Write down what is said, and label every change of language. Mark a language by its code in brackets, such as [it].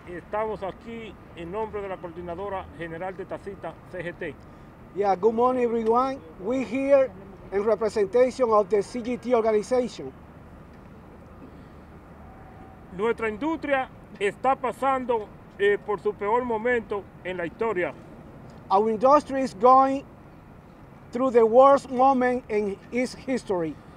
[es] Estamos aquí en nombre de la Coordinadora General de Taxistas, CGT. [en] Yeah, good morning, everyone. We here in representation of the CGT organization. [es] Nuestra industria está pasando por su peor momento en la historia. [en] Our industry is going through the worst moment in its history.